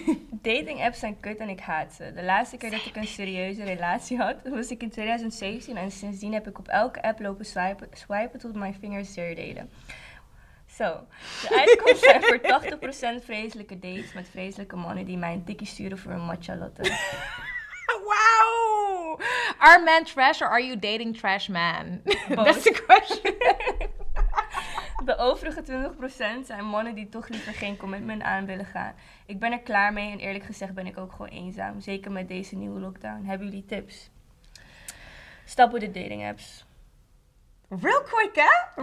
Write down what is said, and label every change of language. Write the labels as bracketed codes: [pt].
[nl] Dating apps zijn kut en ik haat ze. De laatste keer dat ik een serieuze relatie had, was ik in 2017. En sindsdien heb ik op elke app lopen swipen tot mijn vingers zeer deden. Zo. De uitkomst zijn voor 80% vreselijke dates met vreselijke mannen die mij een tikkie sturen voor een matcha latte. Wow! [en] Are men trash or are you dating trash man? Both. That's the question. [nl] De overige 20% zijn mannen die toch liever geen commitment aan willen gaan. Ik ben er klaar mee en eerlijk gezegd ben ik ook gewoon eenzaam. Zeker met deze nieuwe lockdown. Hebben jullie tips? Stap op de dating apps. [en] Real quick, hè?